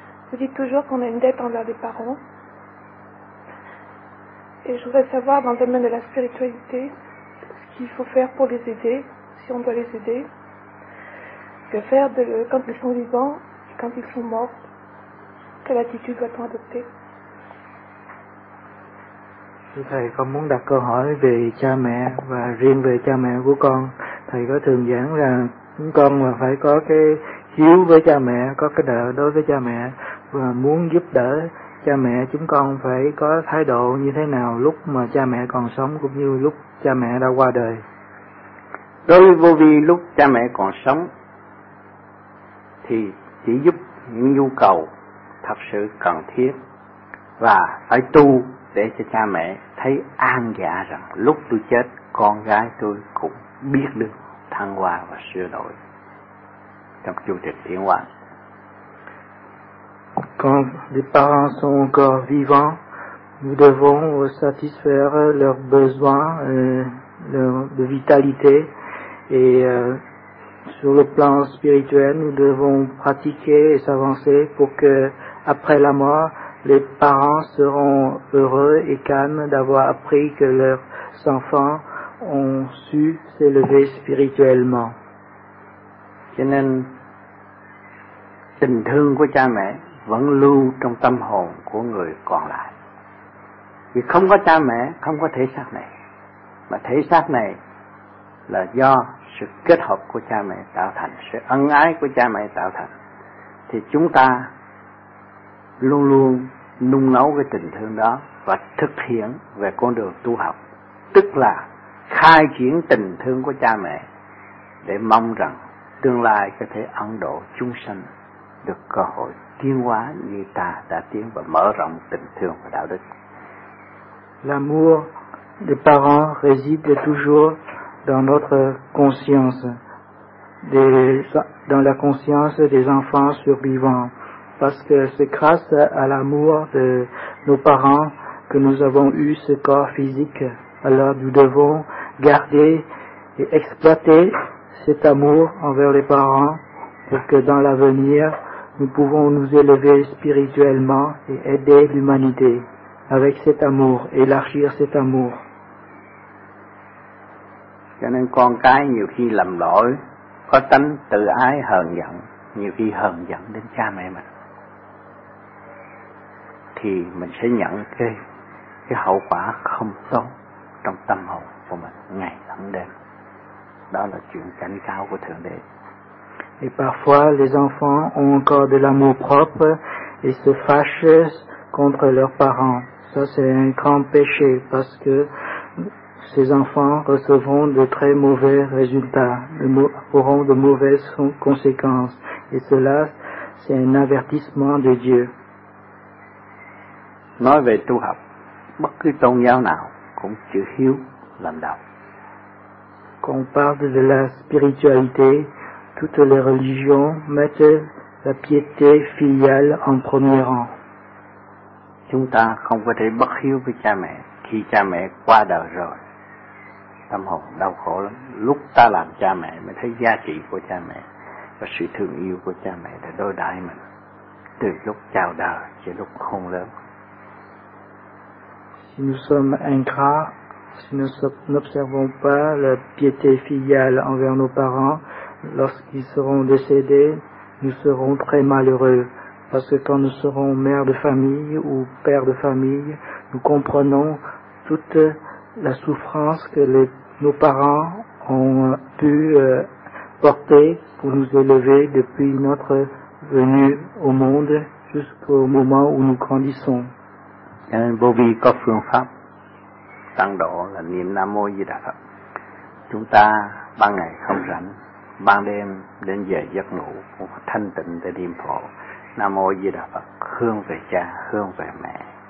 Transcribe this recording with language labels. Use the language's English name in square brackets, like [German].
[French] Vous dites toujours qu'on a une dette envers les parents. Et je voudrais savoir, dans le domaine de la spiritualité, ce qu'il faut faire pour les aider, si on doit les aider. Que faire quand ils sont vivants et quand ils sont morts? Quelle attitude doit-on adopter? [Vietnamese] Thầy, con muốn đặt câu hỏi về cha mẹ và riêng về cha mẹ của con. Thầy có thường giảng rằng con mà phải có cái hiếu với cha mẹ, có cái nợ đối với cha mẹ, và muốn giúp đỡ cha mẹ chúng con phải có thái độ như thế nào lúc mà cha mẹ còn sống cũng như lúc cha mẹ đã qua đời. Đối với vô vi, lúc cha mẹ còn sống thì chỉ giúp những nhu cầu thật sự cần thiết và phải tu để cho cha mẹ thấy an dạ rằng lúc tôi chết con gái tôi cũng biết được thăng hoa và sửa đổi trong chương trình tiến hóa. [French] Quand les parents sont encore vivants, nous devons satisfaire leurs besoins de vitalité. Et sur le plan spirituel, nous devons pratiquer et s'avancer pour que, après la mort, les parents seront heureux et calmes d'avoir appris que leurs enfants ont su s'élever spirituellement. [Vietnamese] Nên, tình thương của cha mẹ vẫn lưu trong tâm hồn của người còn lại. Vì không có cha mẹ, không có thể xác này. Mà thể xác này là do sự kết hợp của cha mẹ tạo thành, sự ân ái của cha mẹ tạo thành. Thì chúng ta luôn luôn nung nấu cái tình thương đó và thực hiện về con đường tu học. Tức là khai triển tình thương của cha mẹ để mong rằng tương lai có thể ấn độ chúng sanh được cơ hội tiến hóa như ta đã tiến và mở rộng tình thương và đạo đức. [French] L'amour des parents réside toujours dans notre conscience, dans la conscience des enfants survivants, parce que c'est grâce à l'amour de nos parents que nous avons eu ce corps physique. Alors nous devons garder et exploiter cet amour envers les parents pour que dans l'avenir, nous pouvons nous élever spirituellement et aider l'humanité avec cet amour, élargir cet amour. [Vietnamese] Cho nên con cái nhiều khi lầm lỗi, có tánh tự ái hờn giận, nhiều khi hờn giận đến cha mẹ mình. Thì mình sẽ nhận cái hậu quả không tốt trong tâm hồn của mình ngày lẫn đêm. Đó là chuyện cảnh cáo của Thượng Đế. [French] Et parfois les enfants ont encore de l'amour propre et se fâchent contre leurs parents. Ça c'est un grand péché parce que ces enfants recevront de très mauvais résultats, auront de mauvaises conséquences. Et cela, c'est un avertissement de Dieu. [Vietnamese] Nói về tu học, bất cứ tôn giáo nào cũng chữ hiếu làm đầu. [French] Quand on parle de la spiritualité, toutes les religions mettent la piété filiale en premier rang. [Vietnamese] Chúng ta không có thể bất hiếu với cha mẹ khi cha mẹ qua đời rồi. Tâm hồn đau khổ lắm. Lúc ta làm cha mẹ mới thấy giá trị của cha mẹ và sự thương yêu của cha mẹ đã đối đãi mình từ lúc chào đời cho lúc khôn lớn. [French] Si nous sommes ingrats, si nous n'observons pas la piété filiale envers nos parents, lorsqu'ils seront décédés, nous serons très malheureux. Parce que quand nous serons mère de famille ou père de famille, nous comprenons toute la souffrance que nos parents ont pu porter pour nous élever depuis notre venue au monde jusqu'au moment où nous grandissons. [Vietnamese] Bobby có phương pháp tăng độ là niệm Nam Mô Di Đà Phật. Chúng ta ban ngày không rảnh, ban đêm đến giờ giấc ngủ cũng thanh tịnh để niệm Phổ Nam Mô Di Đà Phật, hướng về cha, hướng về mẹ.